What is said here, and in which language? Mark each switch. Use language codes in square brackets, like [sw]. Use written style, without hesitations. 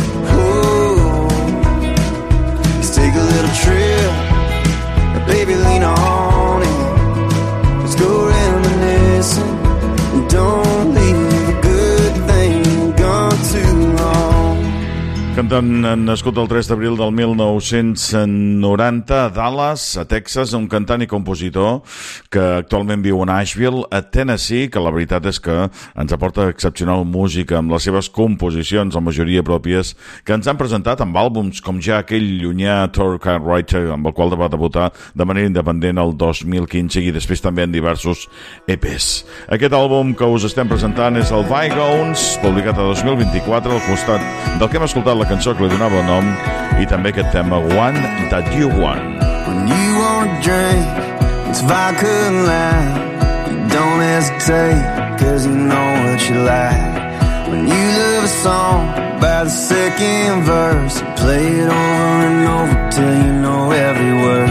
[en] Oh, let's take a little trip, baby, lean on it. Let's go reminiscing and don't leave a good thing gone too long. [ca] Cantant nascut el 3 d'abril del 1990 a Dallas, a Texas, un cantant i compositor que actualment viu a Nashville, a Tennessee, que la veritat és que ens aporta excepcional música amb les seves composicions, la majoria pròpies, que ens han presentat amb àlbums com ja aquell llunyà Troy Cartwright, amb el qual va debutar de manera independent el 2015 i després també en diversos EPs. Aquest àlbum que us estem presentant és el Vi Jones, publicat a 2024 al costat del que hem escoltat la cançó que li donava el nom i també aquest tema One That You Want. [en] When you want a drink, it's vodka and lime. Don't hesitate, cause you know what you like. When you love a song, by the second verse, play it over and over till you know every word.